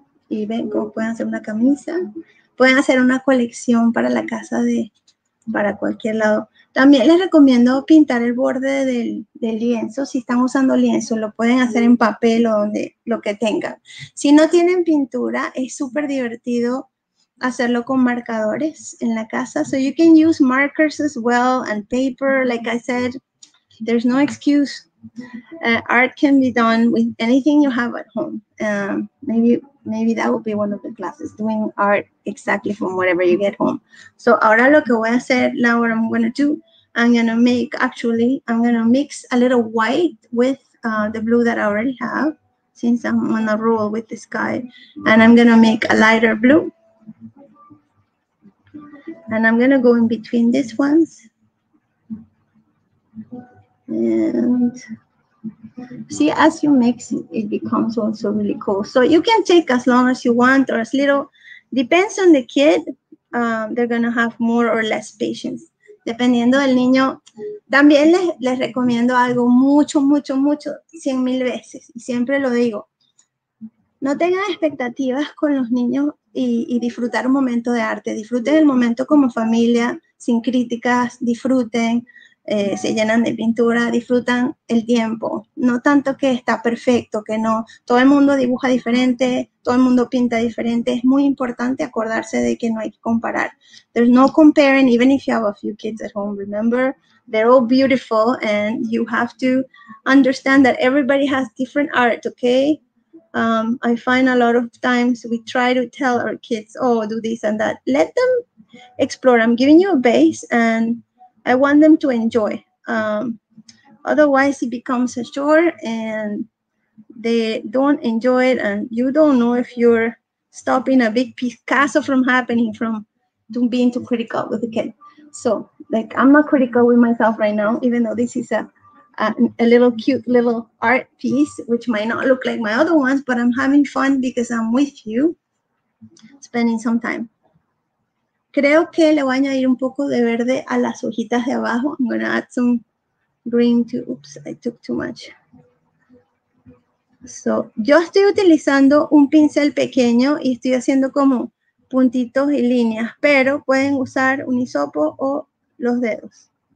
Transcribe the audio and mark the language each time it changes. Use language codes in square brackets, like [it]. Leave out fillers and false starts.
[es] Y ven cómo pueden hacer una camisa. Pueden hacer una colección para la casa de... para cualquier lado. También les recomiendo pintar el borde del lienzo. Si están usando lienzo, lo pueden hacer en papel o donde lo que tengan. Si no tienen pintura, es súper divertido hacerlo con marcadores en la casa. [en] So you can use markers as well and paper. Like I said, there's no excuse. Art can be done with anything you have at home. Maybe that would be one of the classes, doing art exactly from whatever you get home. So [es] ahora lo que voy a hacer, [en] now what I'm going to do, I'm going to mix a little white with the blue that I already have, since I'm on a roll with the sky, and I'm going to make a lighter blue. And I'm going to go in between these ones. And see, as you mix it, it becomes also really cool. So you can take as long as you want or as little. Depends on the kid. They're going to have more or less patience. [es] Dependiendo del niño, también les recomiendo algo mucho, mucho, mucho, 100,000 veces. Siempre lo digo. No tengan expectativas con los niños y disfrutar un momento de arte. Disfruten el momento como familia, sin críticas, disfruten. Se llenan de pintura, disfrutan el tiempo, no tanto que está perfecto, que no, todo el mundo dibuja diferente, todo el mundo pinta diferente, es muy importante acordarse de que no hay que comparar. [en] There's no comparing, even if you have a few kids at home, remember, they're all beautiful and you have to understand that everybody has different art, okay? I find a lot of times we try to tell our kids, oh, do this and that. Let them explore. I'm giving you a base and I want them to enjoy. Otherwise, it becomes a chore and they don't enjoy it. And you don't know if you're stopping a big Picasso from happening from being too critical with the kid. So, like, I'm not critical with myself right now, even though this is a little cute little art piece, which might not look like my other ones, but I'm having fun because I'm with you, spending some time. [es] Creo que le voy a añadir un poco de verde a las hojitas de abajo. [en] I'm going to add some green to, oops, I took too much. [es] So, yo estoy utilizando un pincel pequeño y estoy haciendo como puntitos y líneas, pero pueden usar un hisopo o los dedos.